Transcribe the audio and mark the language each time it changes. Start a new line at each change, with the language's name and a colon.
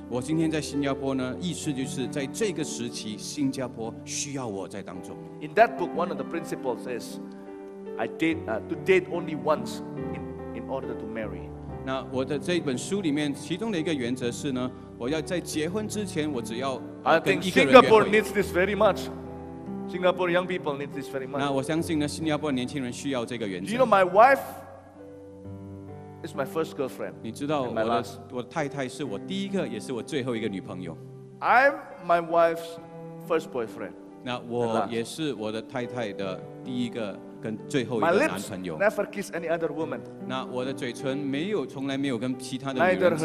Chinese: 我今天在新加坡呢，意思就是在这个时期，新加坡需要我在当中。
English: In that book, one of the principles is, to date only once in order to marry.
Chinese: 那我的这本书里面，其中的一个原则是呢，我要在结婚之前，我只要跟一个人约会。
English: I think Singapore needs this very much. Singapore young people need this very much.
Chinese: 那我相信呢，新加坡年轻人需要这个原则。
English: You know, my wife is my first girlfriend.
Chinese: 你知道我的太太是我第一个，也是我最后一个女朋友。
English: I'm my wife's first boyfriend.
Chinese: 那我也是我的太太的第一个跟最后一个男朋友。
English: My lips never kiss any other woman.
Chinese: 那我的嘴唇没有，从来没有跟其他的女人接